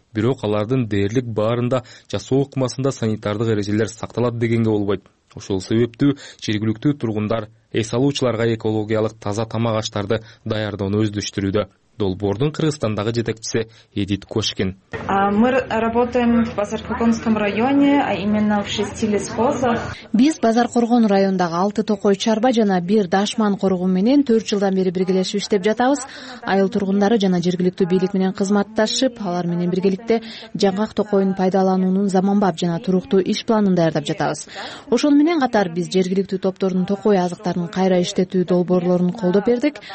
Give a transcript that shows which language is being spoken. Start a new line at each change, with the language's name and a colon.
Kyrgyz: Бирок алардын дээрлик баарында жасоо ыкмасында санитардык эрежелер сакталат дегенге болбойт. Ошол себептүү жергиликтүү тургундар эс алуучуларга экологиялык таза тамак аштарды даярдоону өздөштүрүүдө. Долбордун Кыргызстандагы жетекчиси Эдит Кошкин.
Russian: Мы работаем в Базаркоргонском районе, а именно в 6 лесхозах.
Kyrgyz: Биз Базаркоргон районундагы 6 токой чарба жана 1 дашман коругу менен 4 жылдан бери биргелешип иштеп жатабыз. Айыл тургундары жана жергиликтүү бийлик менен кызматташып, алар менен биргеликте жаңгак токоюн пайдаланууну заманбап жана туруктуу иш планын даярдап жатабыз. Ошону менен катар биз жергиликтүү топтордун токой азыктарын кайра иштетүү долбоорлорун колдоп бердик.